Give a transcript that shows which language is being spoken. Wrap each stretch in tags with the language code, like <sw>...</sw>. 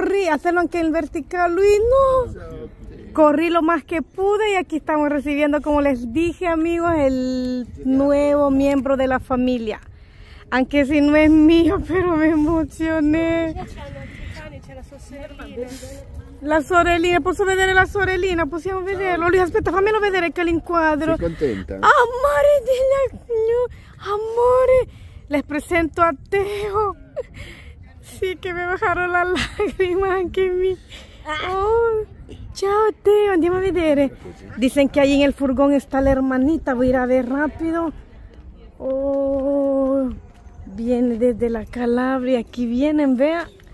<es>Hacerlo aunque en vertical, Luis, no. Corrí lo más que pude y aquí estamos recibiendo, como les dije, amigos, el nuevo miembro de la familia. Aunque si no es mío, pero me emocioné.</es> <it>La sorellina, posso vedere la sorellina? Possiamo vederlo? Lui, aspetta, fammelo vedere che l'inquadro. Sei contenta? Amore di la... Amore!</it> <es>Les presento a Teo.</es> <it>Sì, che mi</it> <es>bajaron</es> <it>la lacrima anche mi. Oh, ciao Teo, andiamo a vedere.</it> <es>Dicen che ahí en el furgón está la hermanita, voy a ir a ver rápido. Oh, viene desde la Calabria, aquí vienen, vea.</es>